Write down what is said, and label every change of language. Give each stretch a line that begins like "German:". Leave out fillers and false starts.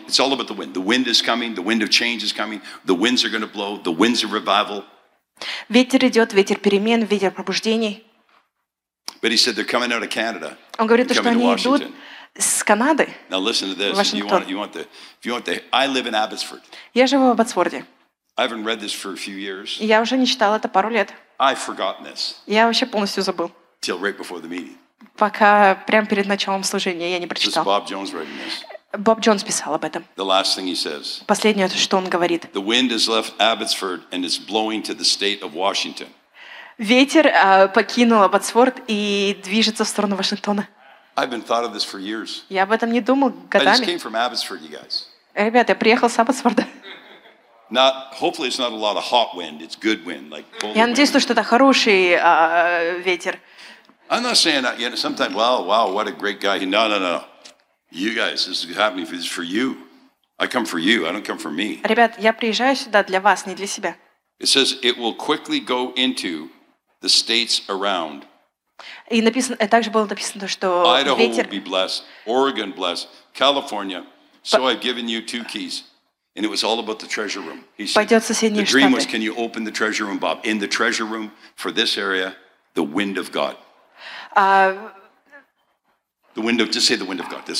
English: It's all about the wind. The wind is coming. The wind of change is coming. The winds are going to blow. The winds of revival.
Russian: Ветер идет, ветер перемен, ветер пробуждений.
English: But he said they're coming out of Canada.
Russian: Он говорит, то, что они идут с Канады.
English: Now listen to this.
Russian: Вашингтон.
English: I live in Abbotsford.
Russian: Я живу в Абботсфорде.
English: I haven't read this for a few years.
Russian: Я уже не читал это пару лет.
English: I've forgotten this.
Russian: Я вообще полностью забыл.
English: Till right before the meeting.
Russian: Пока прямо перед началом служения я не прочитал.
English: Bob Jones writing this.
Russian: Боб Джонс писал об этом.
English: The last thing he says.
Russian: Последнее, что он говорит.
English: The wind has left Abbotsford and is blowing to the state of Washington.
Russian: Ветер покинул Абботсфорд и движется в сторону Вашингтона.
English: I've been thought of this for years.
Russian: Я об этом не думал годами.
English: I just came from Abbotsford, you guys.
Russian: Ребята, я приехал с Абботсфорда.
English: Not, hopefully it's not a lot of hot wind. It's good wind, like cold.
Russian: Я надеюсь,
English: wind.
Russian: Что это хороший ветер.
English: I'm not saying that. You know, sometimes, wow, what a great guy. No. You guys, this is happening for, this is for you. I come for you. I don't come for me.
Russian: Ребят, я приезжаю сюда для вас, не для себя.
English: It says it will quickly go into the states around.
Russian: И написано, также было написано, что
English: Idaho
Russian: ветер...
English: will be blessed, Oregon blessed, California. So I've given you two keys. And it was all about the treasure room. He said, the dream
Russian: штаты.
English: Was, can you open the treasure room, Bob? In the treasure room for this area, the wind of God. The wind of, just say the wind of God.